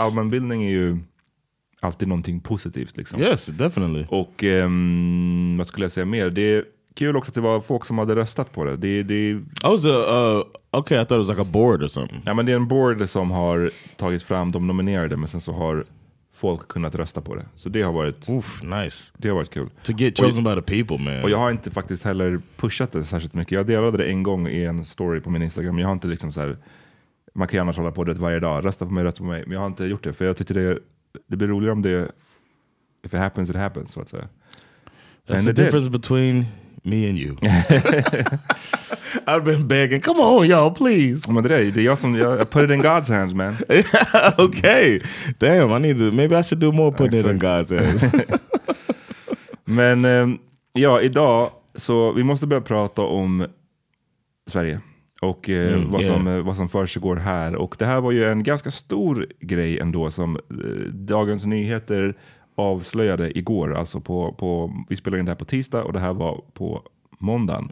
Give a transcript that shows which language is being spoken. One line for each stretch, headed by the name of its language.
Swedish: Allmänbildning är ju alltid någonting positivt, liksom.
English: Yes, definitely.
Swedish: Och vad skulle jag säga mer? Det är kul också att det var folk som hade röstat på det.
English: I thought it was like a board or something.
Swedish: Ja, men det är en board som har tagit fram de nominerade, men sen så har folk kunnat rösta på det. Så det har varit
English: nice.
Swedish: Det har varit kul.
English: To get chosen by the people, man.
Swedish: Och jag har inte faktiskt heller pushat det särskilt mycket. Jag delade det en gång i en story på min Instagram, men jag har inte liksom så här, man kan gärna hålla på det varje dag. Rösta på mig, rösta på mig. Men jag har inte gjort det, för jag tyckte det blir roligare om det,
English: if it happens, it happens,
Swedish: så att säga.
English: That's the difference between me and you. I've been begging. Come on, y'all, please.
Swedish: Men det är jag som, jag,
English: I put it in God's hands, man. Okay. Damn, I need to, maybe I should do more putting it in God's hands.
Swedish: Men ja, idag så vi måste börja prata om Sverige. Och vad, som, vad som försiggår här. Och det här var ju en ganska stor grej ändå som Dagens Nyheter avslöjade igår. Alltså på, vi spelade in det här på tisdag och det här var på måndagen.